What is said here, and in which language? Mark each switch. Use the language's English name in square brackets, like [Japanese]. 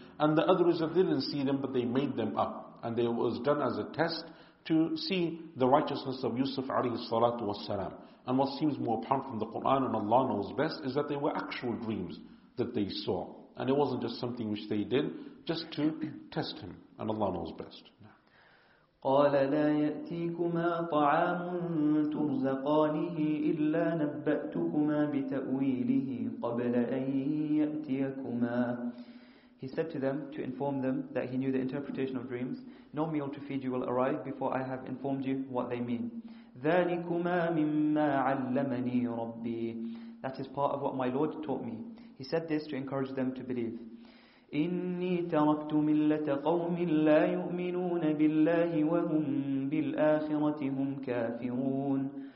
[English] And the other is that they didn't see them, but they made them up. And it was done as a test to see the righteousness of Yusuf alayhi salatu wasalam. And what seems more apparent from the Quran, and Allah knows best, is that they were actual dreams that they saw. And it wasn't just something which they did just to test him. And Allah knows best. [Arabic] قال لا يأتيكما طعام ترزقانه إلا نبأتكما بتأويله قبل أن يأتيكما. [English] He said to them, to inform them, that he knew the interpretation of dreams, "No meal to feed you will arrive before I have informed you what they mean." [Arabic] ذلكما مما علمني ربي. [English] That is part of what my Lord taught me. He said this to encourage them to believe. [Arabic] إِنِّي تَرَكْتُ مِلَّةَ قَوْمٍ لَا يُؤْمِنُونَ بِاللَّهِ وَهُمْ بِالْآخِرَةِ هُمْ كَافِرُونَ.